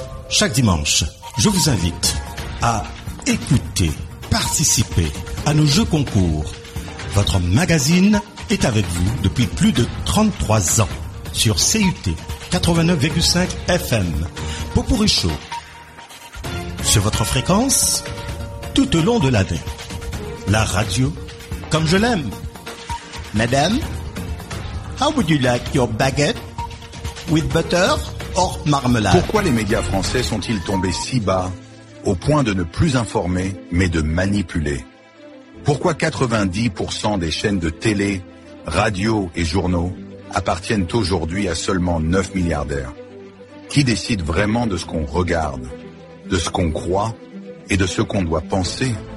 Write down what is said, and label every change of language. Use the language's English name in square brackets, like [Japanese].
[French] Chaque dimanche, je vous invite à écouter, participer à nos jeux concours. Votre magazine est avec vous depuis plus de 33 ans sur CUT 89,5 FM. Pourri Show, sur votre fréquence, tout au long de l'année. La radio, comme je l'aime. [English] Madame, how would you like your baguette with butter or marmelade? [French] Pourquoi les médias français sont-ils tombés si bas au point de ne plus informer, mais de manipuler? Pourquoi 90% des chaînes de télé, radio et journaux appartiennent aujourd'hui à seulement 9 milliardaires? Qui décide vraiment de ce qu'on regarde, de ce qu'on croit et de ce qu'on doit penser?